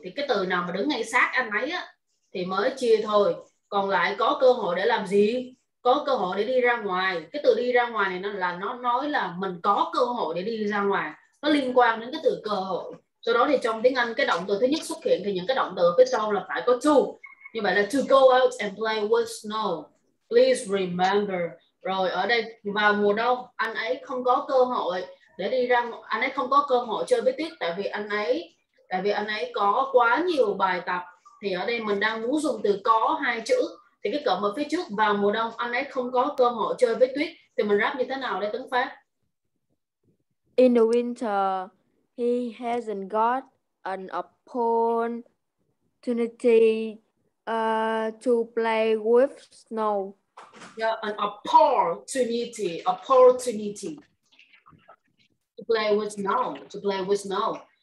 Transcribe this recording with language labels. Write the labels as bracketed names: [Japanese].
[Vietnamese] Thì cái từ nào mà đứng ngay sát anh ấy á thì mới chia thôi. Còn lại có cơ hội để làm gì? Có cơ hội để đi ra ngoài. Cái từ đi ra ngoài này nó nói là mình có cơ hội để đi ra ngoài. Nó liên quan đến cái từ cơ hội. Sau đó thì trong tiếng Anh cái động từ thứ nhất xuất hiện thì những cái động từ phía sau là phải có to. Như vậy là [English] to go out and play with snow. Please remember. [Vietnamese] Rồi ở đây vào mùa đông anh ấy không có cơ hội để đi ra ngoài. Anh ấy không có cơ hội chơi với tuyết tại vì anh ấy có quá nhiều bài tập. Thì ở đây mình đang muốn dùng từ có hai chữ. Thì cái cụm ở phía trước vào mùa đông anh ấy không có cơ hội chơi với tuyết thì mình ráp như thế nào đây Tấn Phát? [English] In the winter, he hasn't got an opportunity to play with snow. Yeah, an opportunity, opportunity to play with snow.